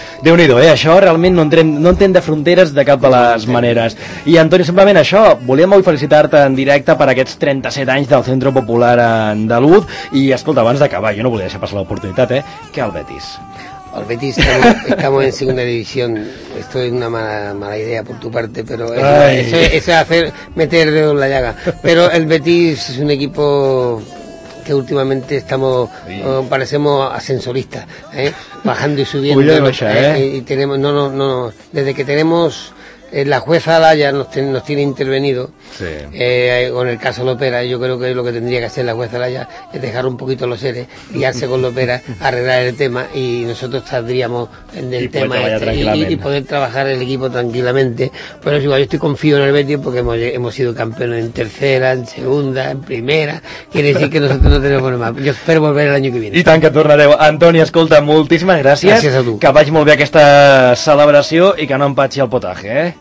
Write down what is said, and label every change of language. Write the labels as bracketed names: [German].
[Catalan] Déu-n'hi-do, això realment no entén de fronteres de cap de les maneres. I Antonio, simplement això, volíem avui felicitar-te en directe per aquests 37 anys del Centre Popular Andaluz i escolta, abans d'acabar, jo no volia deixar passar l'oportunitat, que el Betis. [Spanish] El Betis, estamos en segunda división. Esto es una mala idea por tu parte, pero eso es hacer meter dedo en la llaga. Pero el Betis es un equipo que últimamente estamos, parecemos ascensoristas, bajando y subiendo. [Catalan] Uy, baixa. [Spanish] Y tenemos, no. Desde que tenemos la jueza Alaya nos tiene intervenido, con el caso Lopera. Yo creo que lo que tendría que hacer la jueza Alaya es dejar un poquito los seres, guiarse con Lopera, arreglar el tema y nosotros saldríamos del tema y poder trabajar el equipo tranquilamente. Pero es igual, yo estoy confío en el Betis porque hemos sido campeones en tercera, en segunda, en primera. Quiere decir que nosotros no tenemos problema. Yo espero volver el año que viene. [Catalan] Y tan que tornareu. Antoni, escolta, moltíssimes gràcies. Gràcies a tu. Que vagi molt bé aquesta celebració i que no empatxi el potatge,